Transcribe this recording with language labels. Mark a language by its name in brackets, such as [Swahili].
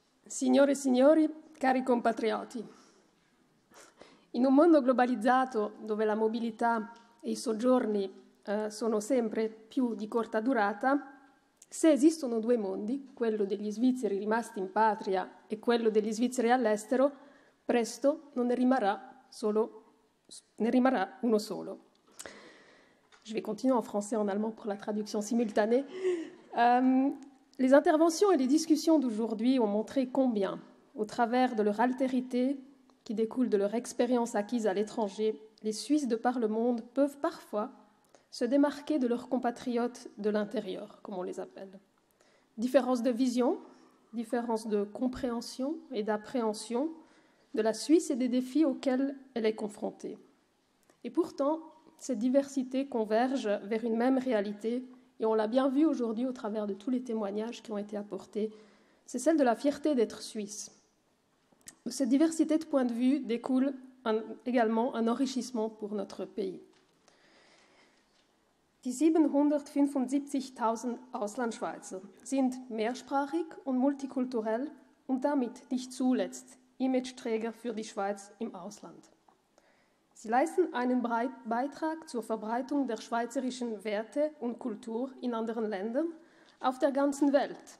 [Italian] Signore e signori, cari compatrioti, in un mondo globalizzato dove la mobilità e i soggiorni sono sempre più di corta durata, se esistono due mondi, quello degli svizzeri rimasti in patria e quello degli svizzeri all'estero, presto non ne rimarrà solo, ne rimarrà uno solo. [French] Je vais continuer en français et en allemand pour la traduction simultanée. Les interventions et les discussions d'aujourd'hui ont montré combien, au travers de leur altérité, qui découle de leur expérience acquise à l'étranger, les Suisses de par le monde peuvent parfois se démarquer de leurs compatriotes de l'intérieur, comme on les appelle. Différence de vision, différence de compréhension et d'appréhension de la Suisse et des défis auxquels elle est confrontée. Et pourtant, cette diversité converge vers une même réalité. Et on l'a bien vu aujourd'hui au travers de tous les témoignages qui ont été apportés, c'est celle de la fierté d'être suisse. De cette diversité de points de vue découle également un enrichissement pour notre pays. [German] Die 775.000 Auslandschweizer sind mehrsprachig und multikulturell und damit nicht zuletzt Imageträger für die Schweiz im Ausland. Sie leisten einen Beitrag zur Verbreitung der schweizerischen Werte und Kultur in anderen Ländern auf der ganzen Welt.